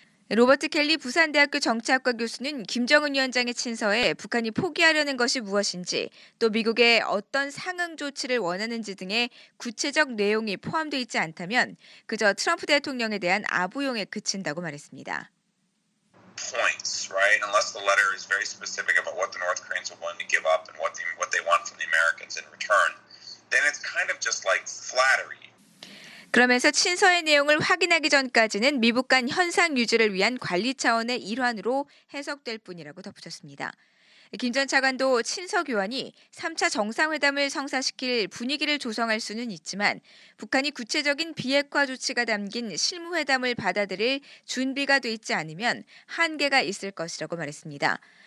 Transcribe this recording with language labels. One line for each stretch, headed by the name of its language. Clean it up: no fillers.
Korean: 로버트 켈리 부산대학교 정치학과 교수는 김정은 위원장의 친서에 북한이 포기하려는 것이 무엇인지 또 미국의 어떤 상응 조치를 원하는지 등의 구체적 내용이 포함돼 있지 않다면 그저 트럼프 대통령에 대한 아부용에 그친다고 말했습니다.
English: Points, right? Unless the letter is very specific about what the North Koreans are willing to give up and what they want from the Americans in return, then it's kind of just like flattery.
Korean: 그러면서 친서의 내용을 확인하기 전까지는 미북 간 현상 유지를 위한 관리 차원의 일환으로 해석될 뿐이라고 덧붙였습니다. 김 전 차관도 친서 교환이 3차 정상회담을 성사시킬 분위기를 조성할 수는 있지만 북한이 구체적인 비핵화 조치가 담긴 실무회담을 받아들일 준비가 돼 있지 않으면 한계가 있을 것이라고 말했습니다.